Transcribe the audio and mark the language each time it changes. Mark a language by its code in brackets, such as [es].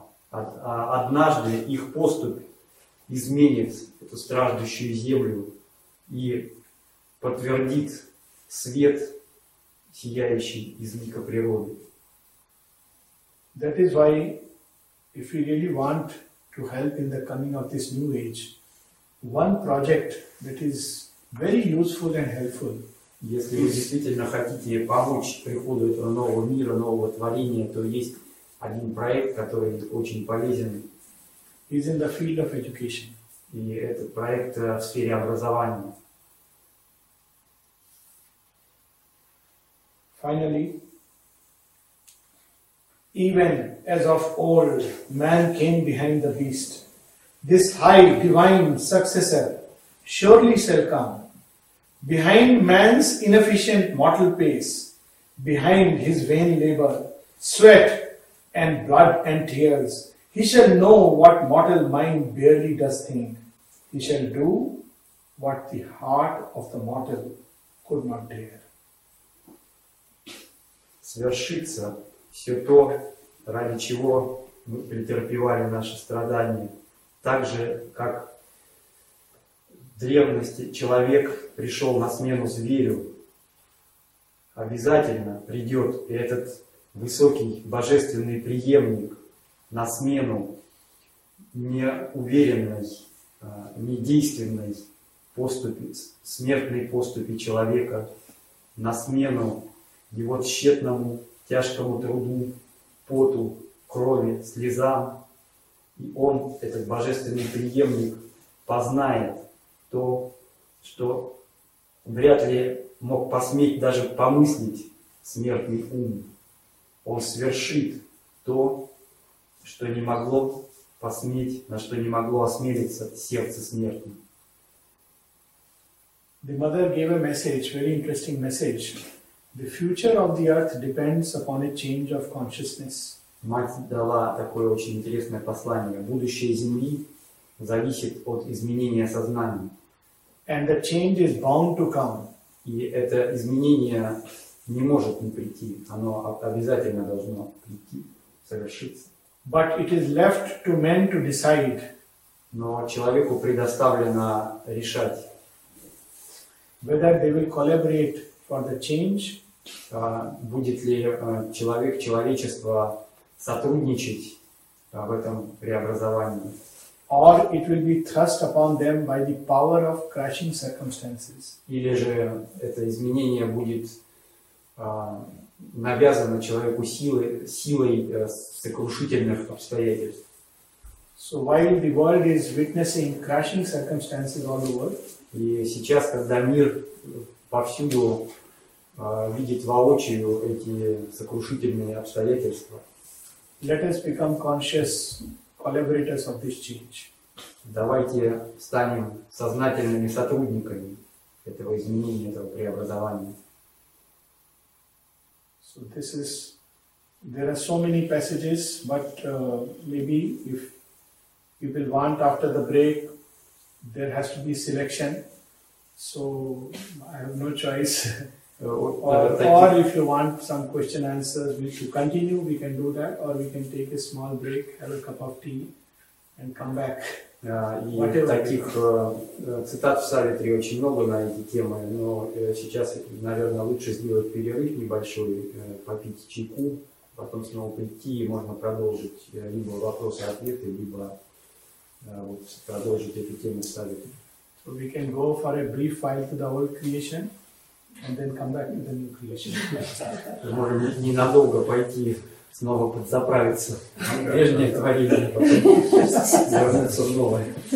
[ru] Однажды их поступь изменит эту страждущую землю и подтвердит свет, сияющий из лика природы. [en] That is why, if we really want to help in the coming of this new age, one project that is very useful and helpful. [ru] Если вы действительно хотите помочь приходу этого нового мира, нового творения, то есть один проект, который очень полезен. [en] Is in the field of education. [ru] И этот проект в сфере образования. [en] Finally, even as of old, man came behind the beast. This high divine successor surely shall come. Behind man's inefficient mortal pace, behind his vain labor, sweat and blood and tears, he shall know what mortal mind barely does think. He shall do what the heart of the mortal could not dare. [ru] Свершится все то, ради чего мы претерпевали наши страдания, так же, как в древности человек пришел на смену зверю. Обязательно придет этот высокий божественный преемник на смену неуверенной, недейственной поступи, смертной поступи человека, на смену его тщетному, тяжкому труду, поту, крови, слезам. И он, этот божественный преемник, познает то, что вряд ли мог посметь даже помыслить смертный ум. Он свершит то, что не могло посметь, на что не могло осмелиться сердце смертное. [en] The mother gave a message, very interesting message. The future of the earth depends upon a change of consciousness. [ru] Мать дала такое очень интересное послание. Будущее Земли зависит от изменения сознания. [en] And the change is bound to come. [ru] И это изменение не может не прийти. Оно обязательно должно прийти, совершиться. [en] But it is left to men to decide. [ru] Но человеку предоставлено решать. [en] Whether they will collaborate for the change. [ru] Будет ли человек, человечество сотрудничать в этом преобразовании. [en] Or it will be thrust upon them by the power of crushing circumstances. [ru] Или же это изменение будет навязано человеку силой сокрушительных обстоятельств. [en] So while the world is witnessing crushing circumstances all over, [ru] и сейчас, когда мир повсюду видит воочию эти сокрушительные обстоятельства, [en] let us become conscious collaborators of this change. [ru] Давайте станем сознательными сотрудниками этого изменения, этого преобразования. [en] So this is, there are so many passages, but maybe if you will want after the break, there has to be selection. So I have no choice. Or if you want some question answers, we should continue, we can do that, or we can take a small break, have a cup of tea, and come back. [ru] И таких цитат в Савитре очень много на эти темы, но сейчас, наверное, лучше сделать перерыв небольшой, попить чайку, потом снова прийти, и можно продолжить либо вопросы-ответы, либо продолжить эту тему в Савитре. [en] So we can go for a brief while to the old creation. And then come back to the new creation. [ru] Мы можем ненадолго пойти снова подзаправиться. Прежнее творение, потом вернуться в новое.